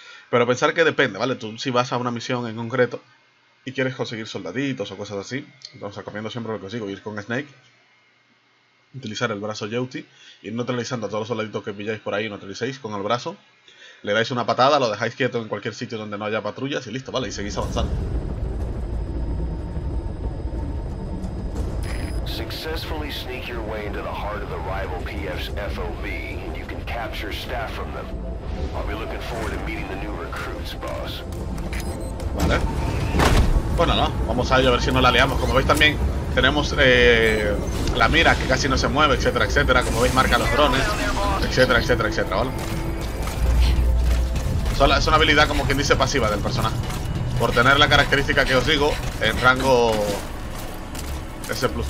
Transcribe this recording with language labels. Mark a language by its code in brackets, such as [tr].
[es] Pero pensar que depende, ¿vale? Tú, si vas a una misión en concreto y quieres conseguir soldaditos o cosas así, os recomiendo siempre lo que os digo, ir con Snake, utilizar el brazo Yeuti, ir neutralizando a todos los soldaditos que pilláis por ahí, neutralizáis con el brazo, le dais una patada, lo dejáis quieto en cualquier sitio donde no haya patrullas y listo, ¿vale? Y seguís avanzando. [en] Successfully sneak your way into the heart of the rival PF's FOB, and you can capture staff from them. I'll be looking forward to meeting the new recruits, boss. [es] Vale. Bueno, no. Vamos a ello a ver si nos la liamos. Como veis también tenemos la mira que casi no se mueve, etcétera, etcétera. Como veis marca los drones, etcétera, etcétera, etcétera. ¿Vale? Es una habilidad como quien dice pasiva del personaje, por tener la característica que os digo en rango S++.